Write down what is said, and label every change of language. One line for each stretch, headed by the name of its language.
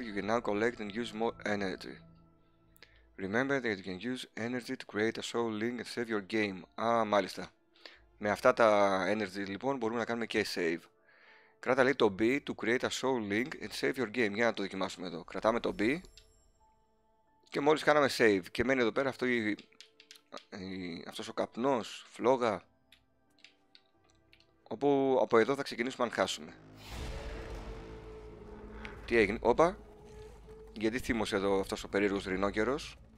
English: You can now collect and use more energy. Remember that you can use energy to create a soul link and save your game.
Greek: Α, μάλιστα. Με αυτά τα energy λοιπόν μπορούμε να κάνουμε και save. Κράτα λέει το B
English: to create a soul link and save your game.
Greek: Για να το δοκιμάσουμε εδώ. Κρατάμε το B και μόλις κάναμε save και μένει εδώ πέρα αυτό αυτός ο καπνός, φλόγα, όπου από εδώ θα ξεκινήσουμε αν χάσουμε. Τι έγινε, όπα, γιατί θύμωσε εδώ αυτός ο περίεργος ρινόκερος.